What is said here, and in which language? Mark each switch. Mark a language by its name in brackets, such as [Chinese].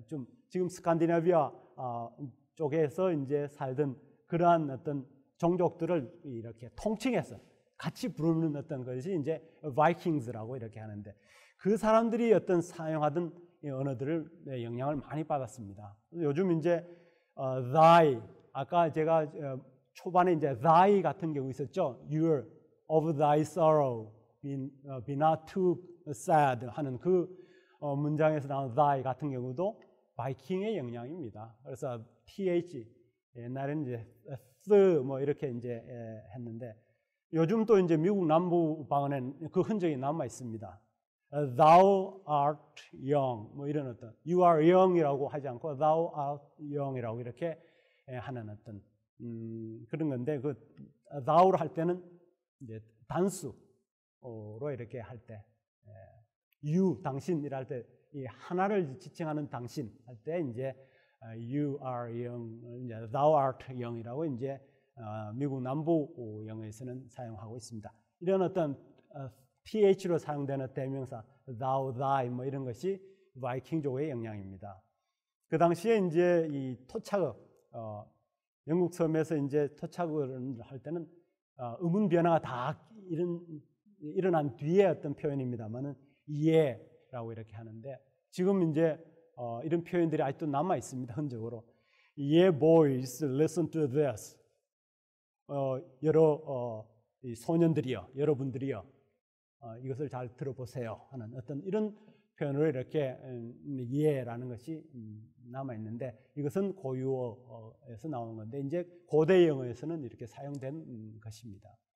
[Korean] 좀 지금 스칸디나비아 쪽에서 이제 살던 그러한 어떤 종족들을 이렇게 통칭해서 같이 부르는 어떤 것이 이제 바이킹즈라고 이렇게 하는데 그 사람들이 어떤 사용하던 언어들을 영향을 많이 받았습니다. 요즘 이제 thy 아까 제가 초반에 이제 thy 같은 경우 있었죠. [English] Your of thy sorrow be not too sad [Korean] 하는 그 문장에서 나온 thy 같은 경우도 바이킹의 영향입니다. 그래서 th 옛날에는 이제 뭐 이렇게 이제 했는데 요즘 또 이제 미국 남부 방언에 그 흔적이 남아 있습니다. [English] Thou art young [Korean] 뭐 이런 어떤 [English] you are young [Korean] 이라고 하지 않고 [English] thou art young [Korean] 이라고 이렇게 하는 어떤 그런 건데 그 thou를 할 때는 이제 단수로 이렇게 할 때 you 당신이랄 때 이 하나를 지칭하는 당신 할 때 이제 [English] you are young, thou art young [Korean] 이라고 이제 미국 남부 영어에서는 사용하고 있습니다. 이런 어떤 th로 사용되는 대명사 thou, thy 뭐 이런 것이 바이킹족의 영향입니다. 그 당시에 이제 이 토착어 영국 섬에서 이제 토착어를 할 때는 음운 변화가 다 일어난 뒤에 어떤 표현입니다만은 예라고 이렇게 하는데 지금 이제 이런 표현들이 아직도 남아 있습니다. 흔적으로 예 [English] boys listen to this. [Korean] 여러 이 소년들이요, 여러분들이요, 이것을 잘 들어보세요 하는 어떤 이런 표현으로 이렇게 예라는 것이 남아 있는데 이것은 고유어에서 나온 건데 이제 고대 영어에서는 이렇게 사용된 것입니다.